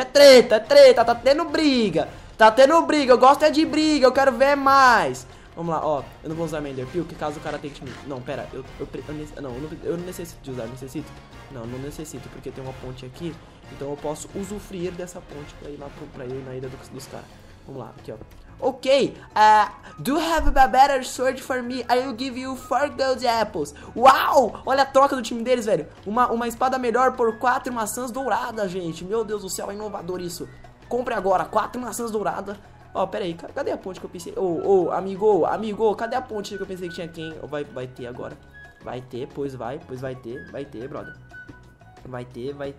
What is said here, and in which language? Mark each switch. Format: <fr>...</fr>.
<pt>É treta, tá tendo briga. Tá tendo briga, eu gosto é de briga, eu quero ver mais. Vamos lá, ó, eu não vou usar Menderpeel, que caso o cara tente me... Não, pera, eu não necessito de usar. Não necessito, porque tem uma ponte aqui, então eu posso usufruir dessa ponte pra ir lá pra ir na ilha dos caras. Vamos lá, aqui, ó.</pt> <en>Ok, do you have a better sword for me? I'll give you 4 gold apples.</en> <pt>Uau, olha a troca do time deles, velho. Uma espada melhor por 4 maçãs douradas, gente. Meu Deus do céu, é inovador isso. Compre agora 4 maçãs douradas. Ó, pera aí, cadê a ponte que eu pensei? Amigo, cadê a ponte que eu pensei que tinha aqui, hein? Vai ter agora. Vai ter, pois vai ter, brother. Vai ter.</pt>